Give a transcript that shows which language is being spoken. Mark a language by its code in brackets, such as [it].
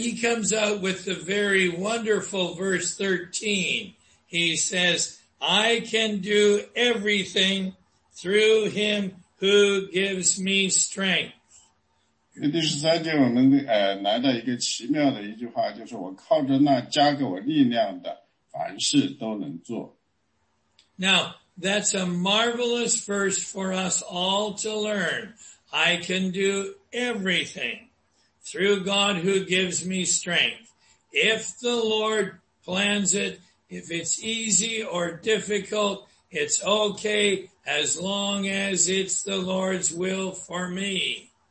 [en] he comes out with the very wonderful verse 13. He says, I can do everything through him who gives me strength. [zh] 第十三节我们来到一个奇妙的一句话，就是我靠着那加给我力量的，凡事都能做。 [en] Now, that's a marvelous verse for us all to learn. I can do everything through God who gives me strength. If the Lord plans it, if it's easy or difficult, it's okay as long as it's the Lord's will for me.